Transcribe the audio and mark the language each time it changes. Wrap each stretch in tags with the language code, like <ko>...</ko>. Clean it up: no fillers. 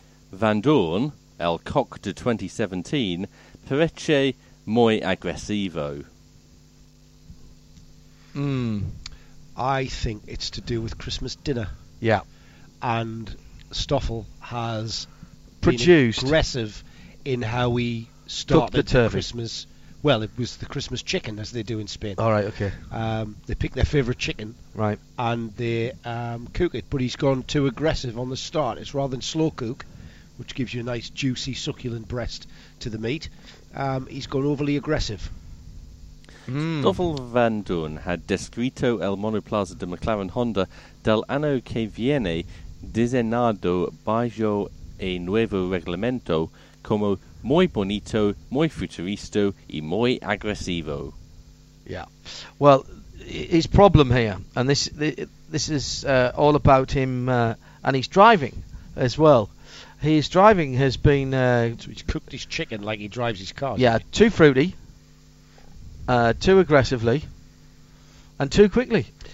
<es>Van Dorn, El Coq de 2017, parece muy agresivo.</es> <en>I think it's to do with Christmas dinner. Yeah. And Stoffel has produced aggressive in how he started the Christmas. Well, it was the Christmas chicken, as they do in Spain. All right, okay. They pick their favourite chicken. Right. And they cook it, but he's gone too aggressive on the start. It's rather than slow cook, which gives you a nice, juicy, succulent breast to the meat, he's gone overly aggressive.</en> <es>Stoffel Van Dorn had descrito el monoplaza de McLaren Honda del año que viene diseñado bajo el nuevo reglamento como... muy bonito, muy futurista y muy agresivo.</es> <en>Yeah. Well, his problem here, and this is all about him and his driving as well. His driving has been... he's cooked his chicken like he drives his car. Yeah, too fruity, too aggressively, and too quickly.</en>